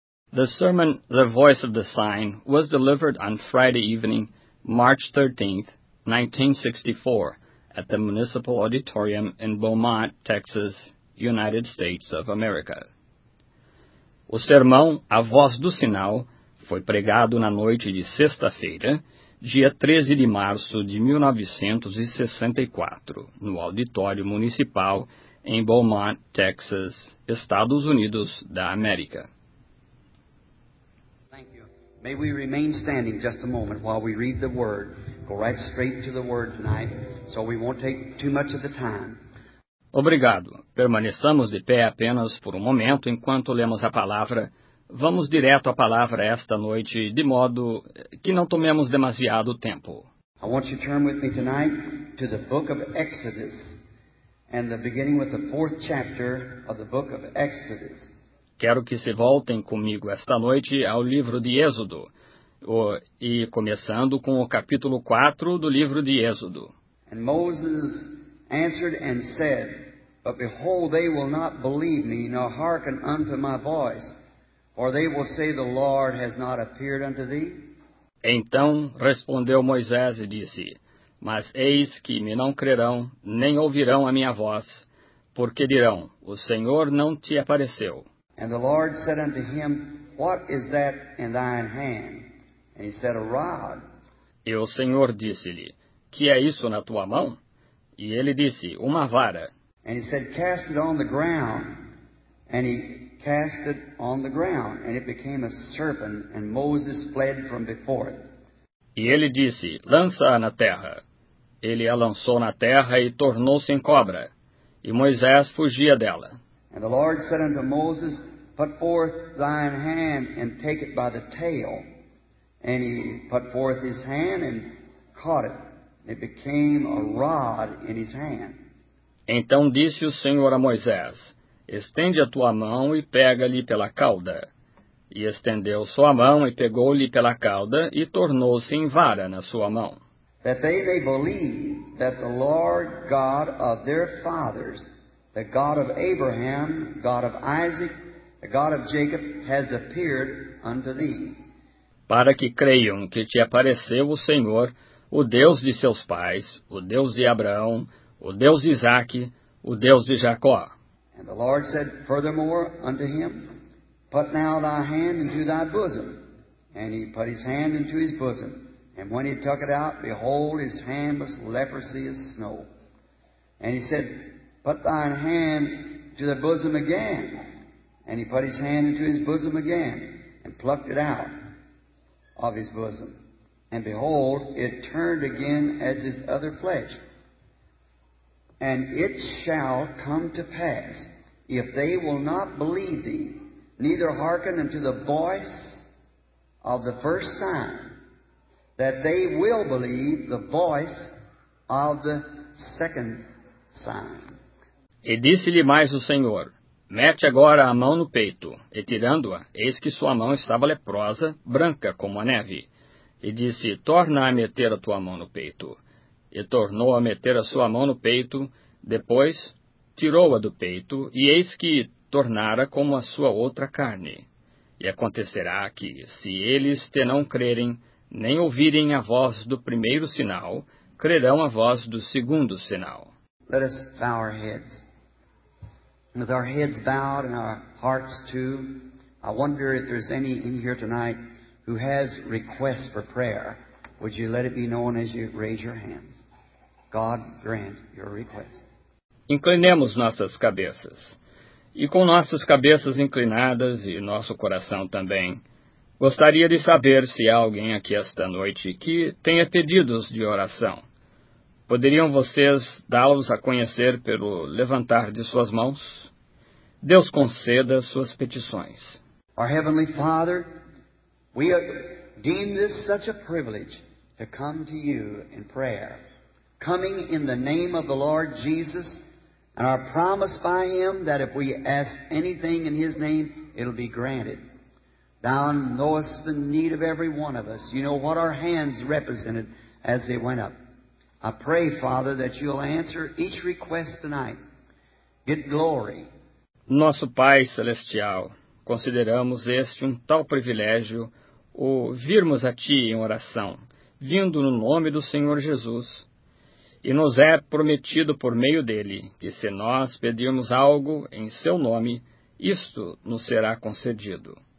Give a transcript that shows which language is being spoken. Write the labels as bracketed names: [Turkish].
[English] The sermon, The Voice of the Sign, was delivered on Friday evening, March 13, 1964, at the Municipal Auditorium in Beaumont, Texas, United States of America. [Portuguese] O sermão, A Voz do Sinal, foi pregado na noite de sexta-feira, dia 13 de março de 1964, no Auditório Municipal em Beaumont, Texas, Estados Unidos da América. [English] Thank you. May we remain standing just a moment while we read the word. Go right straight to the word tonight, so we won't take too much of the time. [Portuguese] Obrigado. Permaneçamos de pé apenas por um momento enquanto lemos a palavra. Vamos direto à palavra esta noite, de modo que não tomemos demasiado tempo. [English] I want you to turn with me tonight to the book of Exodus, and the beginning with the fourth chapter of the book of Exodus. [Portuguese] Quero que se voltem comigo esta noite ao livro de Êxodo, e começando com o capítulo 4 do livro de Êxodo. [English] And Moses answered and said, But behold, they will not believe me, nor hearken unto my voice. Or they will say, the Lord has not appeared unto thee? [Portuguese] Então respondeu Moisés e disse, Mas eis que me não crerão, nem ouvirão a minha voz, porque dirão, O Senhor não te apareceu. [English] And the Lord said unto him, What is that in thine hand? And he said, A rod. [Portuguese] E o Senhor disse-lhe, Que é isso na tua mão? E ele disse, Uma vara. [English] And he said, Cast it on the ground. And he cast it on the ground, and it became a serpent, and Moses fled from before it. [Portuguese] E ele disse, Lança-a na terra. Ele a lançou na terra e tornou-se em cobra, e Moisés fugia dela. [English] And the Lord said unto Moses, Put forth thine hand, and take it by the tail. And he put forth his hand, and caught it. It became a rod in his hand. [Portuguese] Então disse o Senhor a Moisés, Estende a tua mão e pega-lhe pela cauda. E estendeu sua mão e pegou-lhe pela cauda e tornou-se em vara na sua mão. [English] That they may believe that the Lord God of their fathers, the God of Abraham, God of Isaac, the God of Jacob, has appeared unto thee. [Portuguese] Para que creiam que te apareceu o Senhor, o Deus de seus pais, o Deus de Abraão, o Deus de Isaque, o Deus de Jacó. [English] And the Lord said furthermore unto him, Put now thy hand into thy bosom. And he put his hand into his bosom. And when he took it out, behold, his hand was leprosy as snow. And he said, Put thine hand to the bosom again. And he put his hand into his bosom again and plucked it out of his bosom. And behold, it turned again as his other flesh. And it shall come to pass, if they will not believe thee, neither hearken unto the voice of the first sign, that they will believe the voice of the second sign. [Portuguese] E disse-lhe mais o Senhor, Mete agora a mão no peito, e tirando-a, eis que sua mão estava leprosa, branca como a neve. E disse, Torna a meter a tua mão no peito. E tornou a meter a sua mão no peito, depois tirou-a do peito, e eis que tornara como a sua outra carne. E acontecerá que, se eles te não crerem, nem ouvirem a voz do primeiro sinal, crerão a voz do segundo sinal. [English] Let us bow our heads. With our heads bowed and our hearts too, I wonder if there's any in here tonight who has requests for prayer. Would you let it be known as you raise your hands? God grant your request. [Portuguese] Inclinemos nossas cabeças. E com nossas cabeças inclinadas e nosso coração também, gostaria de saber se há alguém aqui esta noite que tenha pedidos de oração. Poderiam vocês dá-los a conhecer pelo levantar de suas mãos? Deus conceda suas petições. [English] Our Heavenly Father, we deem this such a privilege. To come to you in prayer, coming in the name of the Lord Jesus, and are promised by Him that if we ask anything in His name, it'll be granted. Thou knowest the need of every one of us. You know what our hands represented as they went up. I pray, Father, that you'll answer each request tonight. Get glory. [Portuguese] Nosso Pai Celestial, consideramos este um tal privilégio, o virmos a Ti em oração, vindo no nome do Senhor Jesus. E nos é prometido por meio dele que, se nós pedirmos algo em seu nome, isto nos será concedido.